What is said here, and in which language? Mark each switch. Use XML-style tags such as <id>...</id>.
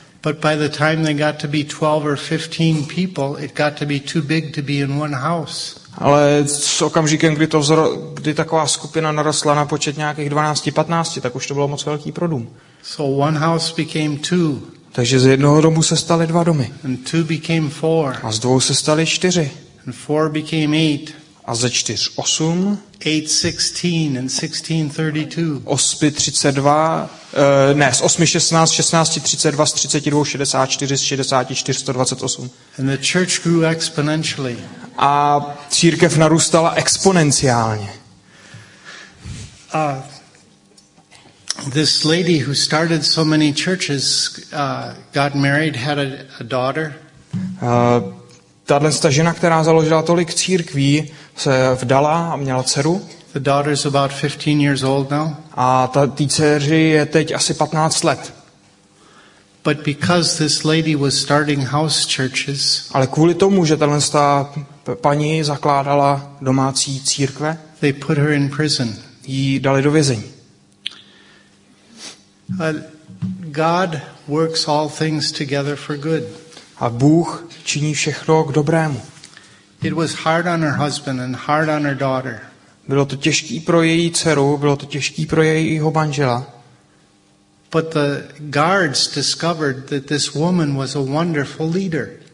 <en>But by the time they got to be 12 or 15 people, it got to be too big to be in one house.</en> <cs>Ale s okamžikem, kdy taková skupina narostla na počet nějakých 12-15, tak už to bylo moc velký pro dům.</cs> <en>So one house became two.</en> <cs>Takže z jednoho domu se staly dva domy.</cs> <en>And two became four.</en> <cs>A z dvou se staly čtyři.</cs> <en>And four became eight.</en> <cs>a ze 4 8.</cs> <en>8:16 and 16:32.</en> <cs>8:32, ne, z 8:16, 16:32, z 32, 64, z 64, 128.</cs> <en>And the church grew exponentially.</en> <cs>A církev narůstala exponenciálně.</cs> <en>This lady who started so many churches got married, had a daughter.</en> <cs>Tato žena, která založila tolik církví, se vdala a měla dceru.</cs> <en>The daughter's about 15 years old now.</en> <cs>A ta dceři je teď asi 15 let.</cs> <en>But because this lady was starting house churches.</en> <cs>Ale kvůli tomu, že tato paní zakládala domácí církve.</cs> <en>They put her in prison.</en> <cs>Jí dali do vězení.</cs> <en>God works all things together for good.</en> <cs>A Bůh činí všechno k dobrému.</cs> <en>It was hard on her husband and hard on her daughter.</en> <cs>Bylo to těžký pro její dceru, bylo to těžký pro jejího manžela.</cs> <en>But the guards discovered that this woman was a wonderful leader.</en>